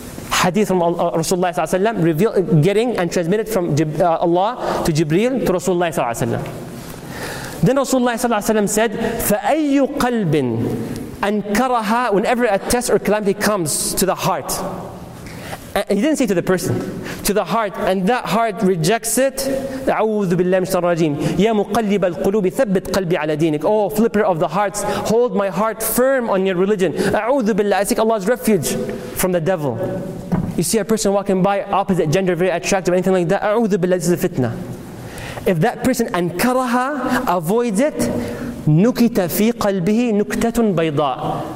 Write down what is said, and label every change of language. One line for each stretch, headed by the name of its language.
English: Hadith from Rasulullah ﷺ, revealed, getting and transmitted from Allah to Jibreel to Rasulullah ﷺ. Then Rasulullah ﷺ said,
Arabic: فَأَيُّ قَلْبٍ أَنْكَرَهَا.
English: Whenever a test or calamity comes to the heart, He didn't say to the person, to the heart, and that heart rejects it.
Arabic: أعوذ بالله من الشيطان الرجيم. يا مقلب القلوب ثبت قلبي على دينك.
English: Oh, flipper of the hearts, hold my heart firm on your religion.
Arabic: أعوذ بالله.
English: I seek Allah's refuge from the devil. You see a person walking by, opposite gender, very attractive, anything like that.
Arabic: أعوذ بالله.
English: This is a fitna. If that person
Arabic: أنكرها,
English: avoids it.
Arabic: نكت في قلبه نكتة بيضاء.